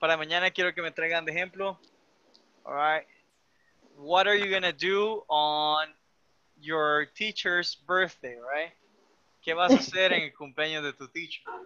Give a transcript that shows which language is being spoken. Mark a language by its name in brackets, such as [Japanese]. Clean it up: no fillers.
[Spanish] Para mañana quiero que me traigan de ejemplo. [English] All right. What are you going to do on your teacher's birthday, right? [Spanish] ¿Qué vas a hacer en el cumpleaños de tu teacher?